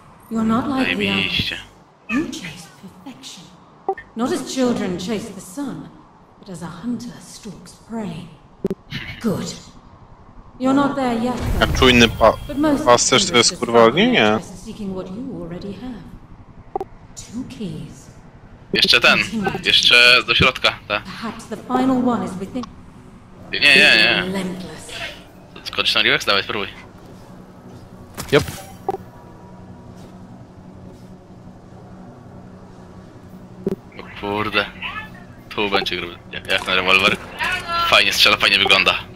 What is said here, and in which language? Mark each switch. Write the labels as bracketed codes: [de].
[en] You're not like the others. You chase perfection. Not as children chase the sun, but as a hunter stalks prey. Good. You're not there yet. [pl] Jak czujny pasterz, to jest kurwa nie. [en] Seeking what you already have. Two keys. [pl] Jeszcze ten. Jeszcze do środka, tak. [en] Perhaps the final one is within. [pl] Nie. Skocz na Rivex, dawaj, spróbuj. Jop. No kurde. Tu będzie gruby. Jak ten rewolwer. Fajnie strzela, fajnie wygląda.